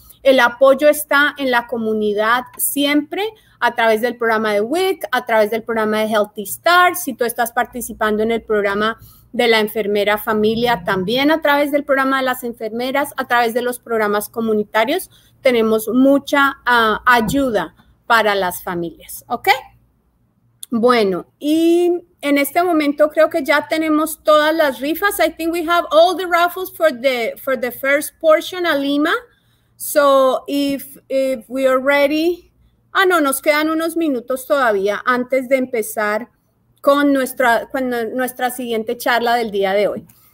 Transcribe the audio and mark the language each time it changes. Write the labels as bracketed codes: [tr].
[es] El apoyo está en la comunidad siempre a través del programa de WIC, a través del programa de Healthy Start, si tú estás participando en el programa de la enfermera familia, también a través del programa de las enfermeras, a través de los programas comunitarios, tenemos mucha ayuda para las familias, ¿ok? Bueno, y en este momento creo que ya tenemos todas las rifas. [en] I think we have all the raffles for the first portion a Lima. So if we are ready, [es] no, nos quedan unos minutos todavía antes de empezar con nuestra siguiente charla del día de hoy.